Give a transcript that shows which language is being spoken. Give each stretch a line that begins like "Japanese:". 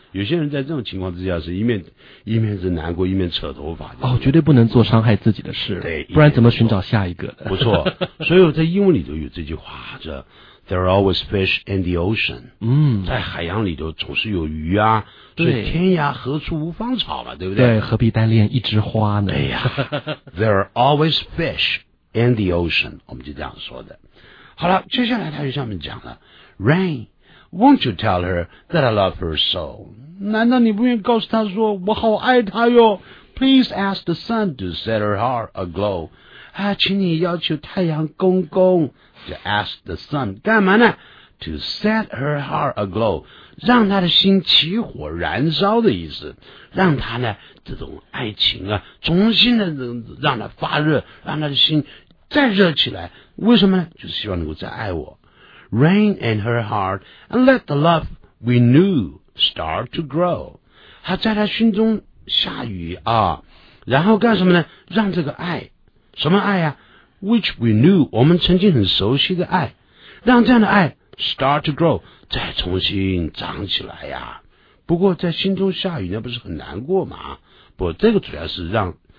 Chinese: 有些人在这种情况之下，是一面是难过，一面扯头发。哦，绝对不能做伤害自己的事，对，不然怎么寻找下一个的？不错，所以我在英文里头有这句话，叫
English: "There are always fish in the ocean"。
Chinese: 嗯，在海洋里头总是有鱼啊，所以天涯何处无芳草嘛，对不对？对，何必单恋一枝花呢？对呀，
English: There are always fish in the ocean，
Chinese: 我们就这样说的。好了，接下来他就下面讲了
English: ，Rain， won't you tell her that I love her so？
Chinese: 难道你不愿意告诉她说我好爱她哟
English: ？Please ask the sun to set her heart aglow。
Chinese: 啊，请你要求太阳公公 ，
English: to ask the sun
Chinese: 干嘛呢 ？
English: To set her heart aglow，
Chinese: 让她的心起火燃烧的意思，让她呢这种爱情啊，重新的让她发热，让她的心。再热起来，为什么呢？就是希望能够再爱我。
English: Rain in her heart and let the love we knew start to grow。
Chinese: 他在他心中下雨啊，然后干什么呢？让这个爱，什么爱啊 ？
English: Which we knew，
Chinese: 我们曾经很熟悉的爱，让这样的爱
English: start to grow，
Chinese: 再重新长起来呀。不过在心中下雨，那不是很难过吗？不，这个主要是让。